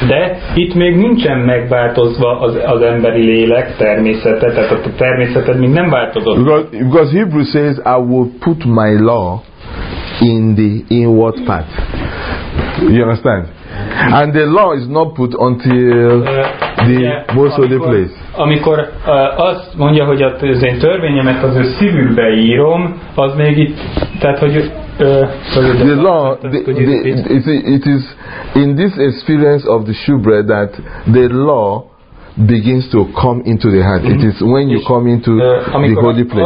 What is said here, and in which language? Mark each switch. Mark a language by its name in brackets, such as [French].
[Hungarian] De itt még nincsen megváltozva az emberi lélek természete, tehát a természeted még nem változott. [English] Because Hebrews says, I will put my law in the inward part. You understand? And the law is not put until the most holy place. [Hungarian] Amikor azt mondja, hogy az én törvényemet az ő szívükbe írom, az még itt, tehát hogy [English] the law, it is in this experience of the shewbread that the law begins to come into the heart. It is when you come into the holy place.